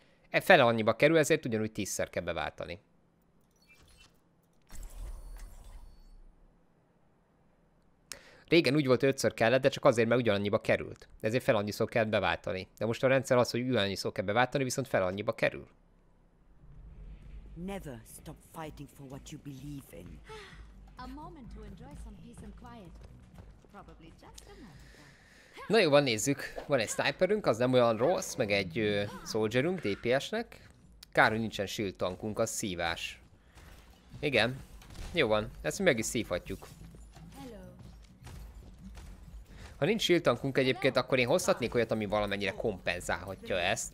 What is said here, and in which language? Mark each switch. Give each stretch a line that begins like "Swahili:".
Hungarian: Fele annyiba kerül, ezért ugyanúgy tízszer kell beváltani. Régen úgy volt, hogy ötször kellett, de csak azért, mert ugyanannyiba került. Ezért fel annyiszor kell beváltani. De most a rendszer az, hogy ugyanannyiszor kell beváltani, viszont fel annyiba kerül.
English: Never stop fighting for what you believe in. A moment to enjoy some peace and quiet. Probably just a moment.
Hungarian: Na jó, van, nézzük. Van egy sniperünk, az nem olyan rossz, meg egy soldierünk DPS-nek. Kár, hogy nincsen shield tankunk, az szívás. Igen. Jó van, ezt meg is szívhatjuk. Ha nincs shield tankunk egyébként, akkor én hozhatnék olyat, ami valamennyire kompenzálhatja ezt.